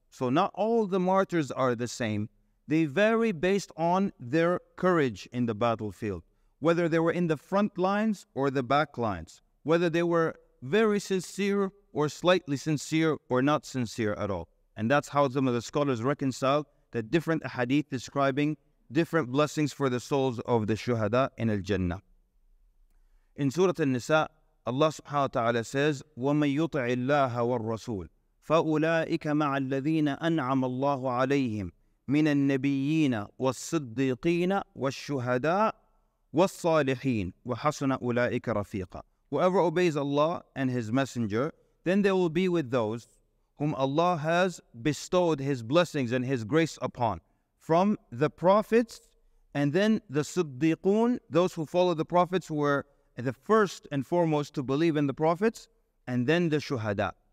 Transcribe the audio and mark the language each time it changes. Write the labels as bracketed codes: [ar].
[en] So not all the martyrs are the same. They vary based on their courage in the battlefield, whether they were in the front lines or the back lines, whether they were very sincere or slightly sincere or not sincere at all. And that's how some of the scholars reconcile the different hadith describing different blessings for the souls of the shuhada in Al-Jannah. In Surah An-Nisa, Allah subhanahu wa ta'ala says, [ar] وَمَن يُطِعِ اللَّهَ وَالرَّسُولِ فَأُولَٰئِكَ مَعَ الَّذِينَ أَنْعَمَ اللَّهُ عَلَيْهِمْ مِنَ النَّبِيِّينَ وَالصِّدِّيقِينَ وَالشُّهَدَاءِ وَالصَّالِحِينَ وَحَسُنَ أُولَٰئِكَ رَفِيقًا. [en] Whoever obeys Allah and His Messenger, then they will be with those whom Allah has bestowed His blessings and His grace upon, from the prophets, and then the Siddiqun, those who follow the prophets, were the first and foremost to believe in the prophets, and then the Shuhada.